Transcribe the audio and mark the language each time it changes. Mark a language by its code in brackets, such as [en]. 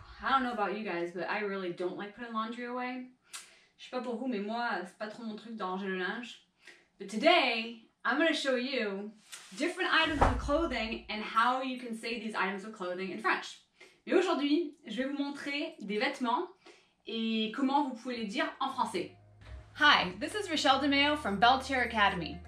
[en] don't know about you guys, but I really don't like putting laundry away. [fr] Je sais pas pour vous, mais moi, c'est pas trop mon truc de ranger le linge. [en] But today, I'm going to show you different items of clothing and how you can say these items of clothing in French. [fr] Mais aujourd'hui, je vais vous montrer des vêtements et comment vous pouvez les dire en français. [en] Hi, this is Rachel DeMeo from Belterre Academy.